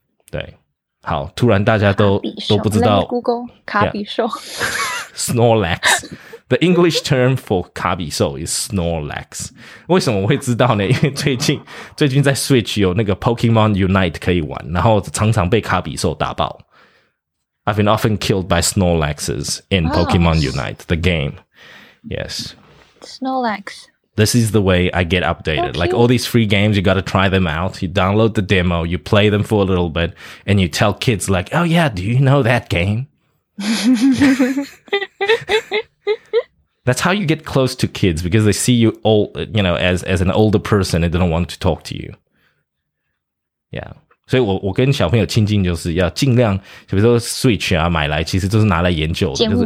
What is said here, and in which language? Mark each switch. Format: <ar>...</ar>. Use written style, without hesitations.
<zh>对，好，突然大家都不知道 Google 卡比兽。</zh> <en>Yeah. Snorlax, the English term for 卡比兽 is Snorlax.</en> <zh>为什么我会知道呢？因为最近在 Switch 有那个 Pokemon Unite 可以玩，然后常常被卡比兽打爆。</zh> <en>I've been often killed by Snorlaxes in Pokemon、oh. Unite, the game. Yes. Snorlax. This is the way I get updated. Like all these free games, you got to try them out. You download the demo, you play them for a little bit, and you tell kids like, oh yeah, do you know that game? That's how you get close to kids because they see you old, you know, as an older person and they don't want to talk to you. Yeah.</en> <zh>所以我跟小朋友亲近就是要尽量，比如说 Switch 啊买来，其实就是拿来研究的，就是</zh>